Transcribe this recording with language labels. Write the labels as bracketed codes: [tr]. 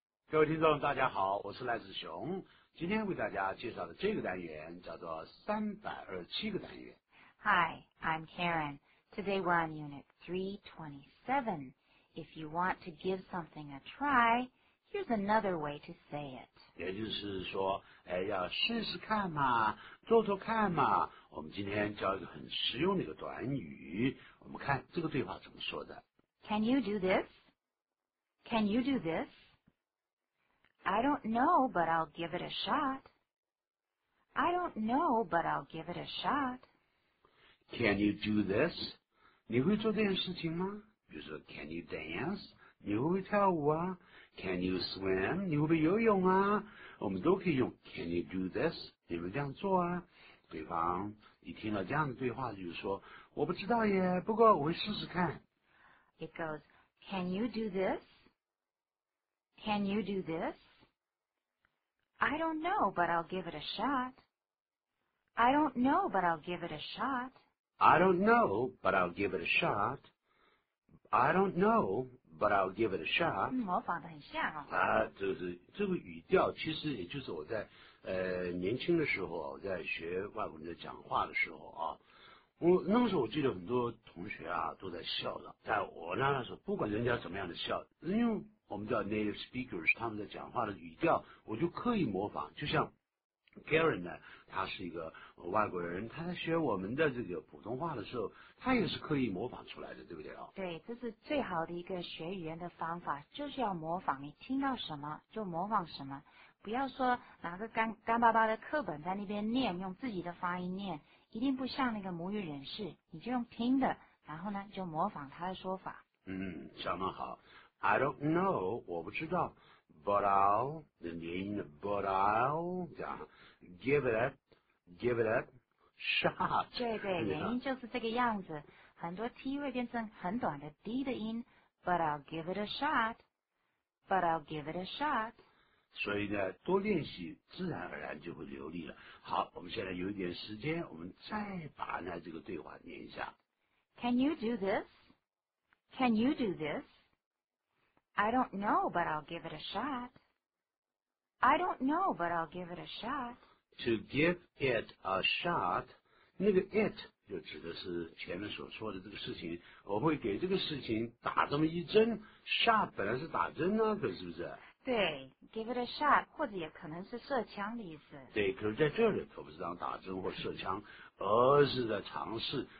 [zh] 各位听众大家好，我是赖子熊。今天为大家介绍的这个单元叫做327个单元。 [en] Hi, I'm Karen. Today we're on unit 327. If you want to give something a try, here's another way to say it. [zh] 也就是说，哎，要试试看嘛，做做看嘛。我们今天教一个很实用的一个短语，我们看这个对话怎么说的。 [en] Can you do this? Can you do this? I don't know, but I'll give it a shot. I don't know, but I'll give it a shot. Can you do this? [zh] 你会做这件事情吗？比如说 [en] can you dance? [zh] 你会不会跳舞啊？ [en] Can you swim? [zh] 你会不会游泳啊？我们都可以用 [en] can you do this? [zh] 你会这样做啊？对方，你听了这样的对话就是说，我不知道耶，不过我会试试看。 [en] It goes, can you do this? Can you do this? I don't know, but I'll give it a shot. I don't know, but I'll give it a shot. I don't know, but I'll give it a shot. I don't know, but I'll give it a shot. [zh] 模仿得很像哦。啊，就是这个语调，其实也就是我在年轻的时候，我在学外国人的讲话的时候啊。我那个时候我记得很多同学啊都在笑的，但我那时候不管人家怎么样的笑，因为我们叫 [en] native speakers， [zh] 他们在讲话的语调我就刻意模仿，就像 Karen 呢，他是一个外国人，他在学我们的这个普通话的时候他也是刻意模仿出来的，对不对？对，这是最好的一个学语言的方法，就是要模仿，你听到什么就模仿什么，不要说拿个 干巴巴的课本在那边念，用自己的发音念，一定不像那个母语人士，你就用听的，然后呢就模仿他的说法。嗯，讲得好。 [en] I don't know, [zh] 我不知道。 [en] But I'll, [zh] 的音 [en] but I'll, [zh] 这样 [en] give it a shot. [zh] 对对，原因就是这个样子。很多 T 会变成很短的 D 的音 [en] ,but I'll give it a shot, but I'll give it a shot. [zh] 所以呢多练习自然而然就会流利了。好，我们现在有一点时间，我们再把呢这个对话念一下。 [en] Can you do this? Can you do this? I don't know, but I'll give it a shot. I don't know, but I'll give it a shot. To give it a shot, [zh] 那个 it 就指的是前面所说的这个事情，我会给这个事情打这么一针。 Shot 本来是打针啊，可是不是？对， [en] give it a shot， [zh] 或者也可能是射枪的意思。对，可是在这里可不是当打针或射枪，而是在尝试。